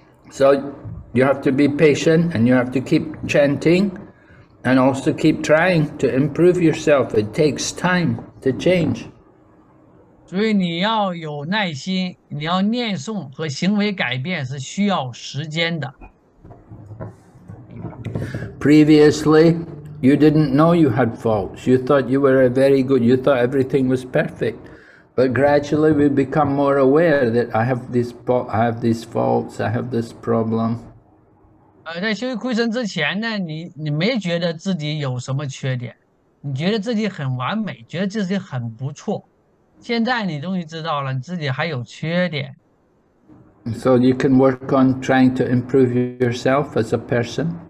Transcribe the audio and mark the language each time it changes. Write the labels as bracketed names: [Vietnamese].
[English] So you have to be patient and you have to keep chanting and also keep trying to improve yourself. It takes time to change. [Chinese] 所以你要有耐心，你要念诵和行为改变是需要时间的。 [English] Previously,You didn't know you had faults. You thought you were a very good. You thought everything was perfect, but gradually we become more aware that I have these faults. I have this problem. [Chinese] 在修慧生之前呢，你没觉得自己有什么缺点，你觉得自己很完美，觉得自己很不错。现在你终于知道了，你自己还有缺点。 [English] So you can work on trying to improve yourself as a person.